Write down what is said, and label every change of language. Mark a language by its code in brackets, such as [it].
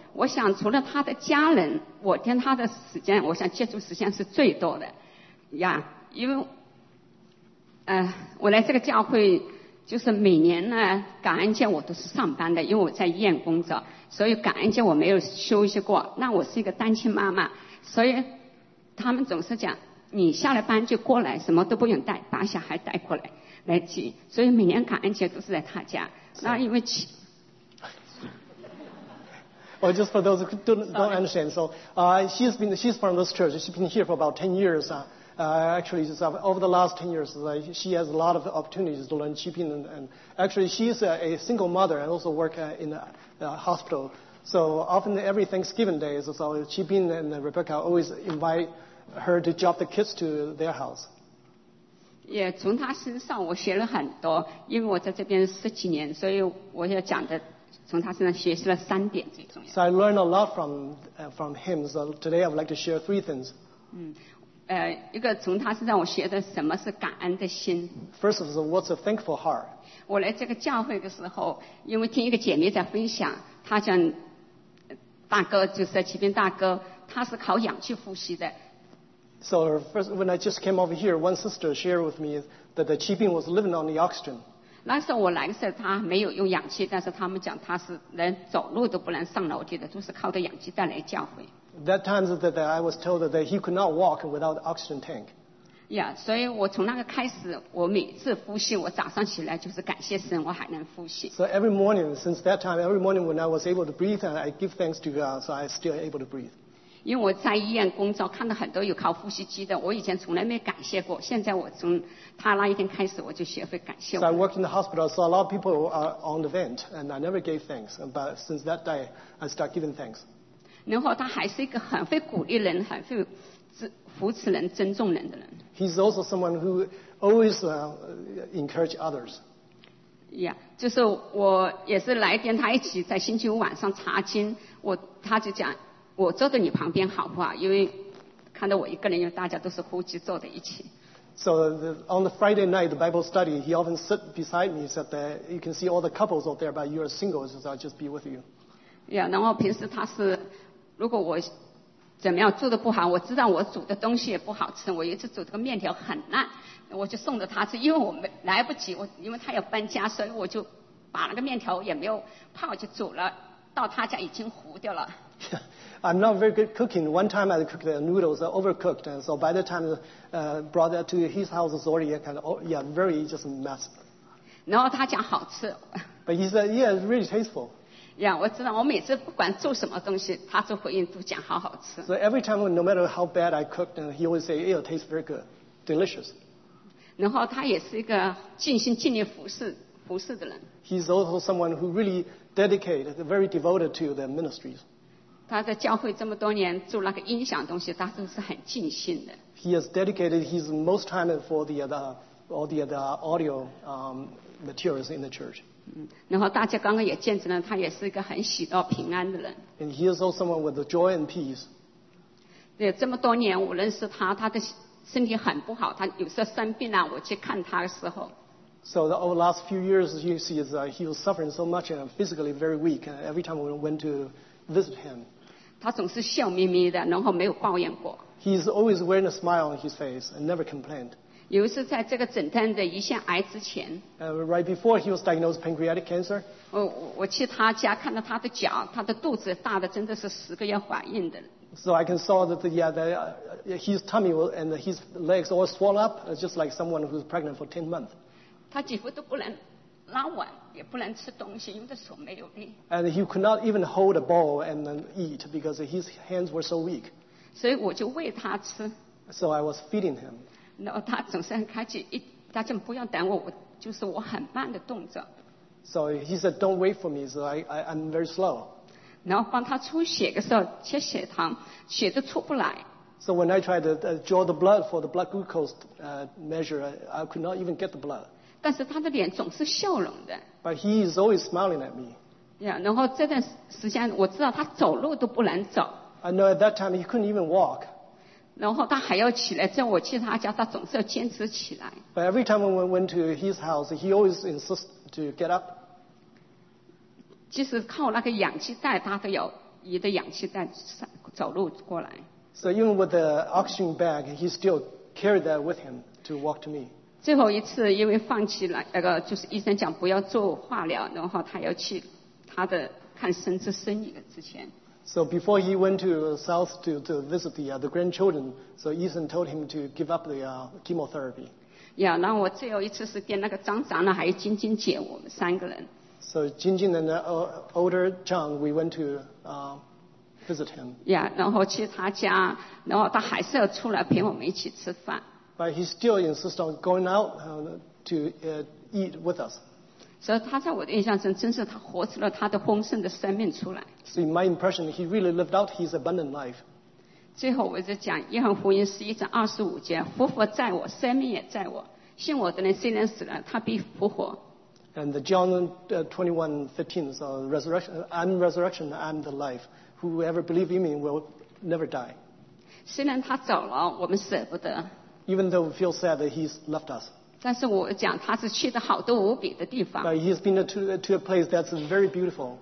[zh] 我想除了他的家人，我跟他的时间，我想接触时间是最多的呀，因为我来这个教会就是每年呢感恩节我都是上班的，因为我在医院工作，所以感恩节我没有休息过。那我是一个单亲妈妈，所以他们总是讲你下了班就过来，什么都不用带，把小孩带过来来接。所以每年感恩节都是在他家。那因为 [en] Well, just for those who don't understand, so she's from this church. She's been here for about 10 years. Actually, over the last 10 years, she has a lot of opportunities to learn Qiping. And actually, she's a single mother and also work in a hospital. So often every Thanksgiving day, so Qiping and Rebecca always invite her to drop the kids to their house. [zh] 也从他身上我学了很多，因为我在这边十几年，所以我要讲的从他身上学习了三点最重要。 [en] So I learned a lot from him. So today I would like to share three things. [zh] 嗯，一个从他身上我学的什么是感恩的心。 [en] First of all, what's a thankful heart? [zh] 我来这个教会的时候，因为听一个姐妹在分享，她讲大哥就是启斌大哥，他是靠氧气呼吸的。 [en] So first, when I just came over here, one sister shared with me that the Qiping was living on the oxygen. [zh] 那时候我来的时候他没有用氧气，但是他们讲他是连走路都不能上楼梯的，都是靠着氧气带来教会。 [en] That time that I was told that he could not walk without the oxygen tank. [zh] Yeah, 所以我从那个开始，我每次呼吸，我早上起来就是感谢神，我还能呼吸。 [en] So every morning, since that time, every morning when I was able to breathe, I give thanks to God, so I'm still able to breathe. [zh] 因为我在医院工作，看到很多有靠呼吸机的，我以前从来没感谢过。现在我从他那一天开始，我就学会感谢。 [en] So I worked in the hospital, so a lot of people are on the vent, and I never gave thanks. But since that day, I start giving thanks. [zh] 然后他还是一个很会鼓励人、很会扶持人、尊重人的人。 [en] He's also someone who always encourage others. [zh] Yeah, 就是我也是来跟他一起在星期五晚上查经，他就讲。我坐在你旁边好不好？因为看到我一个人，因为大家都是呼吸坐在一起。 [en] So on the Friday night, the Bible study, he often sit beside me. Said that you can see all the couples out there, but you're single, so I'll just be with you. [zh] Yeah, 然后平时他是，如果我怎么样做的不好，我知道我煮的东西也不好吃。我一次煮这个面条很烂，我就送着他吃，因为我没来不及，因为他要搬家，所以我就把那个面条也没有泡，就煮了，到他家已经糊掉了。 [en] I'm not very good cooking. One time I cooked the noodles, overcooked, and so by the time brought that to his house, it's already kind of, yeah, very just mess. [zh] 然后他讲好吃。 [en] But he said, yeah, it's really tasteful. [zh] Yeah, 我知道，我每次不管做什么东西，他就回应都讲好好吃。 [en] So every time, no matter how bad I cooked, he always say, it tastes very good, delicious. [zh] 然后他也是一个尽心尽力服侍的人。 [en] He's also someone who really dedicated, very devoted to the ministries. [zh] 他在教会这么多年做那个音响东西，他真是很尽心的。 [en] He has dedicated his most time for all the other audio materials in the church. [zh] 然后大家刚刚也见证了，他也是一个很喜乐平安的人。 [en] And he is also someone with the joy and peace. [zh] 对，这么多年我认识他，他的身体很不好，他有时候生病了，我去看他的时候。 [en] So the over last few years, you see, is he was suffering so much and physically very weak. And every time we went to visit him. [zh] 他总是笑眯眯的，然后没有抱怨过。 [en] He's always wearing a smile on his face and never complained. [zh] 有一次在这个诊断的胰腺癌之前。 [en] Right before he was diagnosed pancreatic cancer. [zh] 我去他家看到他的脚，他的肚子大的真的是十个月怀孕的。 [en] So I can saw that his tummy and his legs all swell up just like someone who's pregnant for 10 months. [zh] 他几乎都不能拉碗。也不能吃东西，因为他手没有力。 [en] And he could not even hold a bowl and eat because his hands were so weak. [zh] 所以我就喂他吃。 [en] So I was feeding him. [zh] 然后他总是很开心，他就不要等我，就是我很慢的动作。 [en] So he said, "Don't wait for me." So I'm very slow. [zh] 然后帮他出血的时候，切血糖，血都出不来。 [en] So when I tried to draw the blood for the blood glucose measure, I could not even get the blood. [zh] 但是他的脸总是笑容的。 [en] But he is always smiling at me. [zh] Yeah, 然后这段时间我知道他走路都不能走。 [en] I know at that time he couldn't even walk. [zh] 然后他还要起来，在我去他家，他总是要坚持起来。 [en] But every time we went to his house, he always insisted to get up. [zh] 即使靠那个氧气袋，他都要倚着氧气袋走路过来。 [en] So even with the oxygen bag, he still carried that with him to walk to me. [zh] 最后一次因为放弃了那个就是医生讲不要做化疗然后他要去他的看孙子孙女之前 [en] So before he went to South to visit the grandchildren so 医生 told him to give up the chemotherapy [zh] yeah, 然后我最后一次是跟那个张长老还有晶晶姐我们三个人 [en] So Jingjing and the older Zhang, we went to visit him. [zh] Yeah, 然后去他家，然后他还是要出来陪我们一起吃饭。 [en] But he still insists on going out to eat with us. [zh] 所以他在我的印象中，真是他活出了他的丰盛的生命出来。 [en] So in my impression, he really lived out his abundant life. [zh] 最后我就讲约翰福音十一章二十五节：复活在我，生命也在我。信我的人虽然死了，他必复活。 [en] And the John 21:15, so resurrection, I'm resurrection, I'm the life. Whoever believes in me will never die. [zh] 虽然他走了，我们舍不得。 [en] Even though we feel sad that he's left us. [zh] 但是我讲他是去的好多无比的地方。 [en] But he's been to a place that's very beautiful.